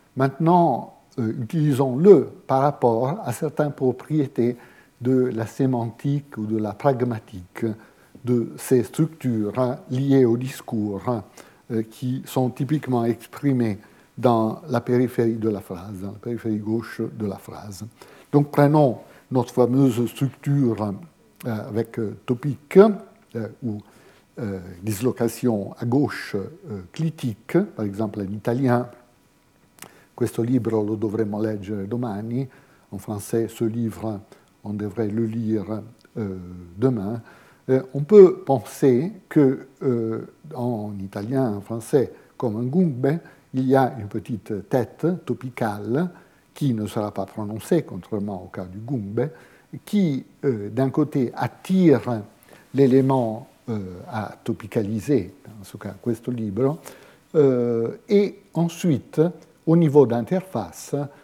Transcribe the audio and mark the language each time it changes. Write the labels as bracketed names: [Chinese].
[French] Maintenant, utilisons-le par rapport à certaines propriétés de la sémantique ou de la pragmatique de ces structures liées au discours qui sont typiquement exprimées dans la périphérie de la phrase, dans la périphérie gauche de la phrase. Donc prenons notre fameuse structure avec topic ou dislocation à gauche clitique, par exemple en italien. [Italian] Questo libro lo dovremmo leggere domani. [French] En français, ce livre, on devrait le lire demain. On peut penser que, en italien, en français, comme un gumbe, il y a une petite tête topicale qui ne sera pas prononcée, contrairement au cas du gumbe, qui, d'un côté, attire l'élément à topicaliser, dans ce cas, [Italian] questo libro, [French] et ensuite, au niveau d'interface,